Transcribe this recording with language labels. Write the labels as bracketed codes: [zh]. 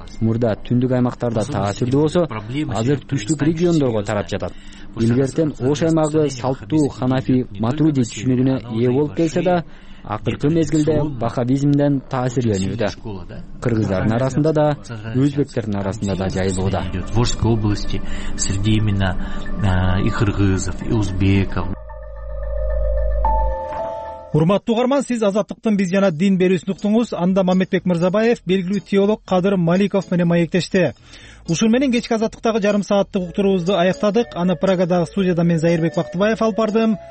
[ky] Мурда түндүк аймактарда таасирдүү болсо, азыр түштүк региондорго тарап жатат. Илгертен Ош аймагы салттуу ханафи матруди түшүнүгүнө ээ болуп келсе да, акыркы мезгилде вахабизмден таасирленүүдө. Кыргыздардын арасында да, өзбектердин арасында да жайылууда. [ru] В Ошской области среди именно и кыргызов, и узбеков. [ky] Урматтуу угарман, сиз азаттыктын биз жана дин берүүсүн уктуңуз. Анда Мамытбек Мырзабаев, белгилүү теолог Кадыр Маликов менен маектеште. Ушул менен кечки азаттыктагы жарым сааттык уктуруубузду аяктадык. Аны Прагадагы студияда мен Зайырбек Бактыбаев алып бардым.